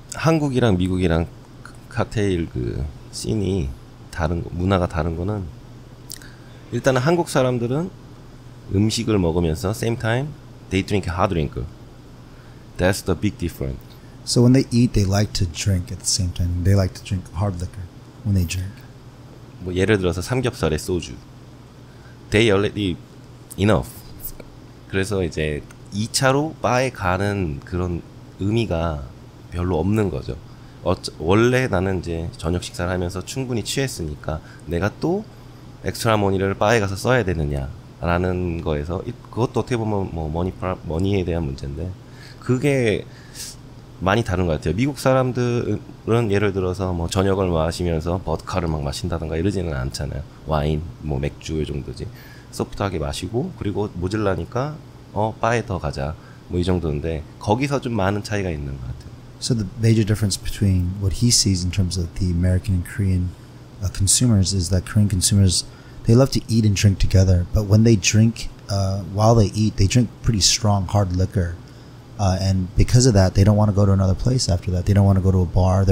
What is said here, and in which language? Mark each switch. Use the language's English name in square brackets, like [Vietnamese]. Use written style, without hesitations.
[Korean] 한국이랑 미국이랑 칵테일 그 씬이 다른 문화가 다른 거는 일단은 한국 사람들은 음식을 먹으면서 [English] same time they drink hard drink. That's the big difference. So when they eat, they like to drink at the same time. They like to drink hard liquor when they drink. [Korean] 뭐 예를 들어서 삼겹살에 소주. [English] They already enough. [Korean] 그래서 이제 2차로 바에 가는 그런 의미가 별로 없는 거죠. 원래 나는 이제 저녁 식사를 하면서 충분히 취했으니까 내가 또 엑스트라 머니를 바에 가서 써야 되느냐? 라는 거에서 그것도 어떻게 보면 뭐 머니에 대한 문제인데 그게 많이 다른 것 같아요. 미국 사람들은 예를 들어서 뭐 저녁을 마시면서 버드카를 막 마신다든가 이러지는 않잖아요. 와인, 뭐 맥주 이 정도지. 소프트하게 마시고 그리고 모질라니까 바에 더 가자 뭐 이 정도인데 거기서 좀 많은 차이가 있는 것 같아요. [English] So the major difference between what he sees in terms of the American and Korean consumers is that Korean consumers, they love to eat and drink together, but when they drink, while they eat, they drink pretty strong, hard liquor. And because of that, they don't want to go to another place after that. They don't want to go to a bar.